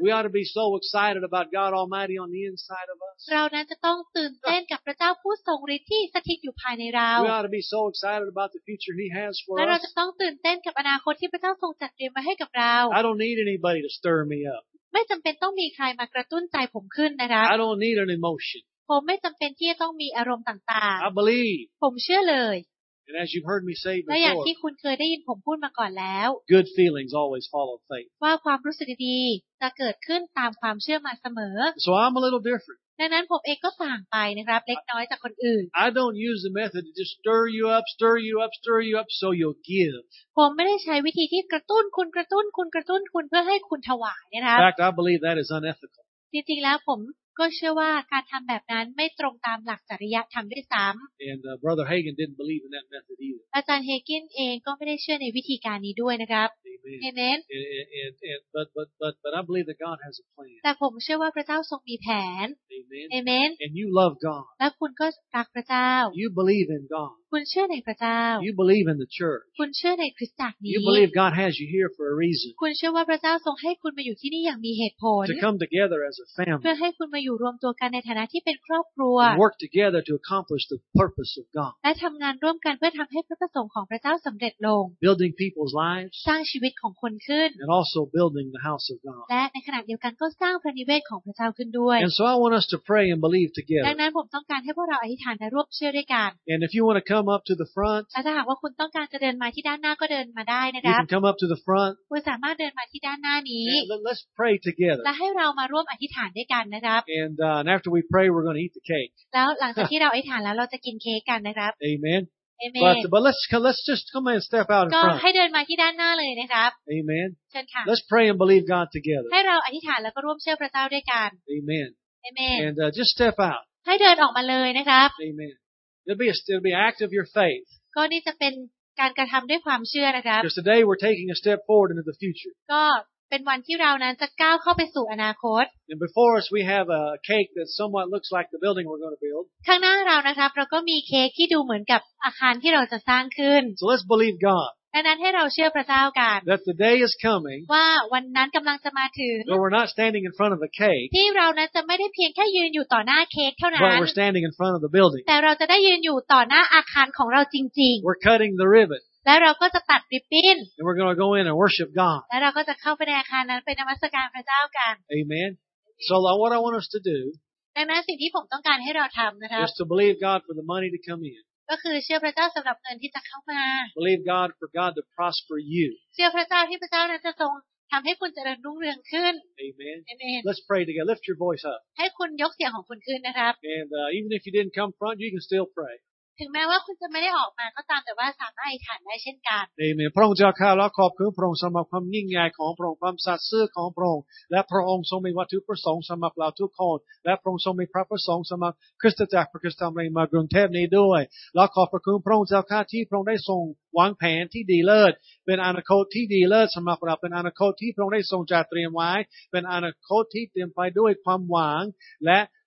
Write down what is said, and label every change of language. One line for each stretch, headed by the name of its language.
English: we ought to be so excited about God Almighty on the inside of us
Thai: เรานั้นจะต้องตื่นเต้นกับพระเจ้าผู้ทรงฤทธิ์ที่สถิตอยู่ภายในเรา
English: we ought to be so excited about the future He has for us
Thai: และเราจะต้องตื่นเต้นกับอนาคตที่พระเจ้าทรงจัดเตรียมไว้ให้กับเรา
English: I don't need anybody to stir me up
Thai: ไม่จำเป็นต้องมีใครมากระตุ้นใจผมขึ้นนะครับ
English: I don't need an emotion
Thai: ผมไม่จำเป็นที่จะต้องมีอารมณ์ต่าง
English: ๆ I believe
Thai: ผมเชื่อเลย
English: And as you've heard me say before
Thai: และอย่างที่คุณเคยได้ยินผมพูดมาก่อนแล้ว
English: Good feelings always follow faith
Thai: ว่าความรู้สึกดีจะเกิดขึ้นตามความเชื่อมาเสมอ
English: So I'm a little different
Thai: ดังนั้นผมเองก็ต่างไปนะครับเล็กน้อยจากคนอื่น
English: I don't use the method to just stir you up stir you up stir you up so you'll give
Thai: ผมไม่ได้ใช้วิธีที่กระตุ้นคุณกระตุ้นคุณกระตุ้นคุณเพื่อให้คุณถวายนะครับ
English: In fact I believe that is unethical
Thai: จริงๆแล้วผมก็เชื่อว่าการทำแบบนั้นไม่ตรงตามหลักจริยธรรมด้วยซ้ำ
English: And brother Hagen didn't believe in that method either
Thai: อาจารย์เฮเกนเองก็ไม่ได้เชื่อในวิธีการนี้ด้วยนะครับ
English: Amen and but I believe that God has a plan
Thai: แต่ผมเชื่อว่าพระเจ้าทรงมีแผน
English: Amen and you love God
Thai: และคุณก็รักพระเจ้า
English: You believe in God
Thai: คุณเชื่อในพระเจ้า
English: You believe in the church
Thai: คุณเชื่อในคริสตจักรนี้
English: You believe God has you here for a reason
Thai: คุณเชื่อว่าพระเจ้าทรงให้คุณมาอยู่ที่นี่อย่างมีเหตุผล
English: To come together as a family
Thai: เพื่อให้คุณมาอยู่รวมตัวกันในฐานะที่เป็นครอบครัว
English: Work together to accomplish the purpose of God
Thai: และทำงานร่วมกันเพื่อทำให้พระประสงค์ของพระเจ้าสำเร็จลง
English: Building people's lives
Thai: สร้างชีวิตของคนขึ้น
English: And also building the house of God
Thai: และในขณะเดียวกันก็สร้างพระนิเวศของพระเจ้าขึ้นด้วย
English: And so I want us to pray and believe together
Thai: ดังนั้นผมต้องการให้พวกเราอธิษฐานและร่วมเชื่อด้วยกัน
English: And if you want to come up to the front
Thai: ถ้าหากว่าคุณต้องการจะเดินมาที่ด้านหน้าก็เดินมาได้นะครับ
English: You can come up to the front
Thai: คุณสามารถเดินมาที่ด้านหน้านี้
English: Let's pray together
Thai: และให้เรามาร่วมอธิษฐานด้วยกันนะครับ
English: And after we pray we're going to eat the cake
Thai: แล้วหลังจากที่เราอธิษฐานแล้วเราจะกินเค้กกันนะครับ
English: Amen Amen But let's just come and step out in front
Thai: ก็ให้เดินมาที่ด้านหน้าเลยนะครับ
English: Amen
Thai: เชิญค่ะ
English: Let's pray and believe God together
Thai: ให้เราอธิษฐานแล้วก็ร่วมเชื่อพระเจ้าด้วยกัน
English: Amen Amen And just step out
Thai: ให้เดินออกมาเลยนะครับ
English: AmenIt'll be an act of your faith.
Thai: ก็นี่จะเป็นการกระทำด้วยความเชื่อนะครับ
English: Because today we're taking a step forward into the future.
Thai: ก็เป็นวันที่เรานั้นจะก้าวเข้าไปสู่อนาคต
English: And before us we have a cake that somewhat looks like the building we're going to build.
Thai: ข้างหน้าเรานะครับเราก็มีเค้กที่ดูเหมือนกับอาคารที่เราจะสร้างขึ้น
English: So let's believe God.
Thai: ดังนั้นให้เราเชื่อพระเจ้ากัน
English: That the day is coming.
Thai: ว่าวันนั้นกำลังจะมาถึง
English: But we're not standing in front of a cake.
Thai: ที่เรานั้นจะไม่ได้เพียงแค่ยืนอยู่ต่อหน้าเค้กเท่านั้น
English: But we're standing in front of the building.
Thai: แต่เราจะได้ยืนอยู่ต่อหน้าอาคารของเราจริงๆ
English: We're cutting the ribbon.
Thai: แล้วเราก็จะตัดริบบิ้น
English: And we're going to go in and worship God.
Thai: แล้วเราก็จะเข้าไปในอาคารนั้นไปนมัสการพระเจ้ากัน
English: Amen. So what I want us to do.
Thai: แม้สิ่งที่ผมต้องการให้เราทำนะครับ
English: Is to believe God for the money to come in.
Thai: ก็คือเชื่อพระเจ้าสำหรับเงินที่จะเข้ามา
English: Believe God for God to prosper you
Thai: เชื่อพระเจ้าที่พระเจ้านั้นจะทรงทำให้คุณเจริญรุ่งเรืองขึ้น
English: Amen Amen Let's pray together Lift your voice up
Thai: ให้คุณยกเสียงของคุณขึ้นนะครับ
English: And even if you didn't come front you can still pray
Thai: ถึงแม้ว่าคุณจะไม่ได้ออกมาก็ตามแต่ว่าสามารถอธิษฐานได้เช่นกัน Amen พระองค์เจ้าข้าและขอบคุณพระองค์สำหรับความยิ่งใหญ่ของพระองค์ความสัตย์ซื่อของพระองค์และพระองค์ทรงมีวัตถุประสงค์สำหรับเราทุกคนและพระองค์ทรงมีพระประสงค์สำหรับคริสตจักรพระคริสต์ธรรมเรมากรุงเทพนี้ด้วยและขอบพระคุณพระองค์เจ้าข้าที่พระองค์ได้ทรงวางแผนที่ดีเลิศเป็นอนาคตที่ดีเลิศสำหรับเราเป็นอนาคตที่พระองค์ได้ทรงจัดเตรียมไว้เป็นอนาคตที่เต็มไปด้วยความหวังและ